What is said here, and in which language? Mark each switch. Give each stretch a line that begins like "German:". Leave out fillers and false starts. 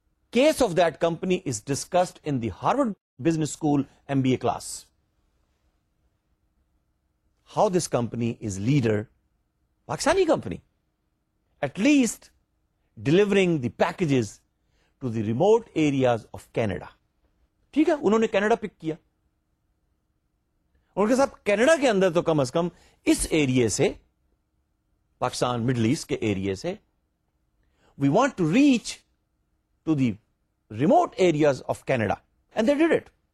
English: Case of that company is discussed in the Harvard business school M B A class. How this company is leader, Pakistani company, at least delivering the packages to the remote areas of Canada.
Urdu: ٹھیک ہے, انہوں نے Canada پک کیا, ان کے ساتھ Canada کے اندر تو کم از کم اس area سے, پاکستان مڈل ایسٹ کے ایریا سے,
English: We want to reach to the remote areas of Canada, and they did it.